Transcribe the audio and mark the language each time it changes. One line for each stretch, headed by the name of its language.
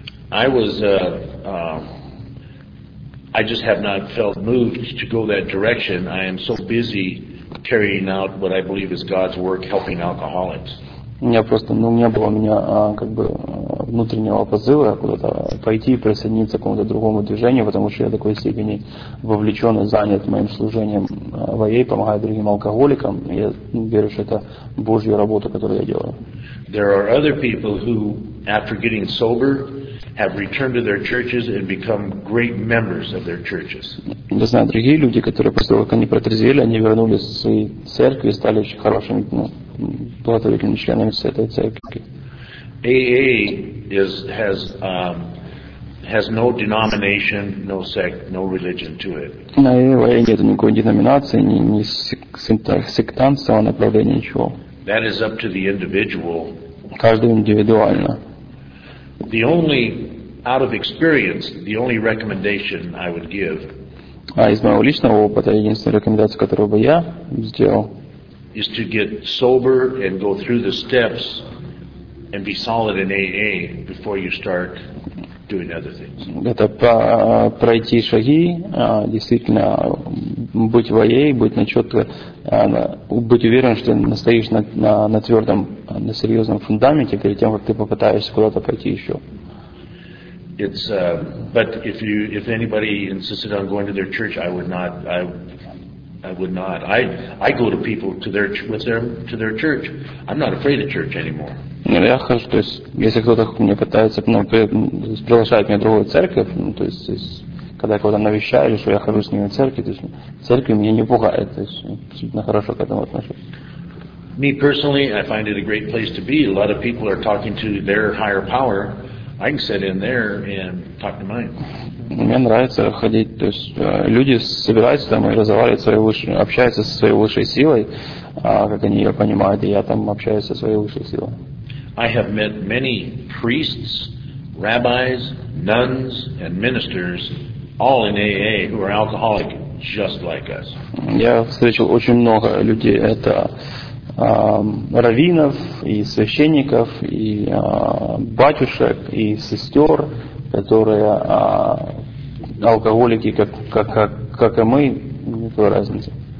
English: I was I just have not felt moved to go that direction. I am so busy carrying out what I believe is God's work, helping alcoholics.
Russian: Я просто, ну, не было у меня как бы внутреннего позыва куда-то пойти и присоединиться к какому-то другому движению, потому что я в такой степени вовлечен и занят моим служением в АА, помогаю другим алкоголикам. Я верю, что это Божья работа, которую я делаю.
English: There are other people who, after getting sober, have returned to their churches and become great members of their churches.
Russian: Я знаю другие люди, которые после того, как они протрезвели, они вернулись в свои церкви и стали очень хорошими, ну, благотворительными членами этой церкви.
English: AA has no denomination, no sect, no religion to it.
Russian: На AA нет никакой деноминации, ни сектантского направления, ничего.
English: That is up to the individual.
Russian: Каждый индивидуально.
English: The only, out of experience, the only recommendation I would give.
Russian: А из моего личного опыта единственная рекомендация, которую бы я сделал.
English: Is to get sober and go through the steps and be solid in AA before you start doing other things.
Russian: Это пройти шаги, действительно быть в AA, быть на четко, быть уверен, что ты стоишь на твердом, на серьезном фундаменте перед тем, как ты попытаешься куда-то пройти еще.
English: It's but if anybody insisted on going to their church, I would not. I go to people to their church. I'm not afraid of church anymore.
Russian: Я хожу, то есть если кто-то мне пытается, ну, приглашает меня в другую церковь, ну, то есть когда я кого-то навещаю, или что я хожу с ними в церкви, то есть церковь меня не пугает, то есть абсолютно хорошо к этому отношусь.
English: Me personally, I find it a great place to be. A lot of people are talking to their higher power. I can sit in there and talk to mine.
Russian: Мне нравится ходить, то есть люди собираются там и разговаривают свои высшие, общаются со своей высшей силой, как они ее понимают, и я там общаюсь со своей высшей силой.
English: I have met many priests, rabbis, nuns, and ministers, all in AA, who are alcoholic, just like us.
Russian: Я встретил очень много людей, это раввинов и священников и батюшек и сестер, которые алкоголики, как и мы, никакой разницы.